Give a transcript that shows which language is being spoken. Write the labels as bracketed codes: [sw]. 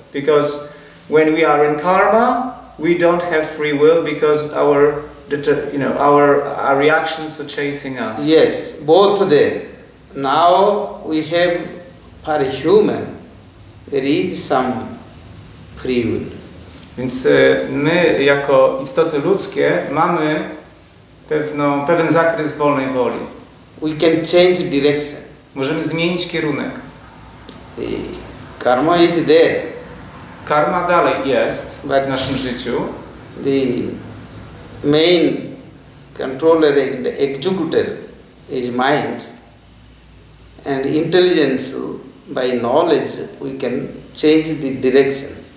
[en] Because when we are in karma, we don't have free will because our our reactions are chasing us. Yes, both of them. Now we have part of human. There is some free will. [pl] Więc my jako istoty ludzkie mamy pewien zakres wolnej woli. [en] We can change direction. [pl] Możemy zmienić kierunek. [en] Karma is there. [pl] Karma dalej jest w naszym życiu. [en] The main controller, the executor is mind. And intelligence, by knowledge, we can change the direction.